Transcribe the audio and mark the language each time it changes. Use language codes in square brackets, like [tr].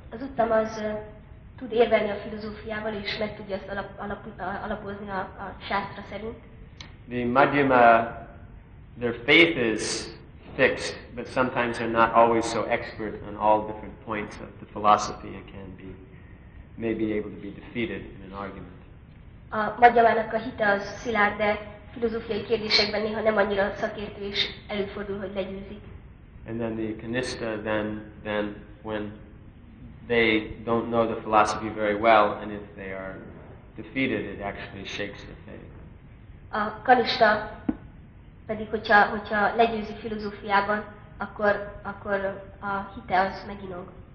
[hu] Az Uttama az tud érvelni a filozófiával, és meg tudja ezt alapozni a Shastra szerint. [en] The Madhyama, their faith is fixed, but sometimes they're not always so expert on all different points of the philosophy and can be maybe able to be defeated in an argument. [hu] A Madhyamának a hite az szilárd, de filozófiai kérdésekben néha nem annyira szakértő, és előfordul, hogy legyőzik. [en] And then the Kanista, then when they don't know the philosophy very well, and if they are defeated, it actually shakes their faith. [hu] A Kanista pedig, hogyha legyőzi filozófiában, akkor a hite az meginog.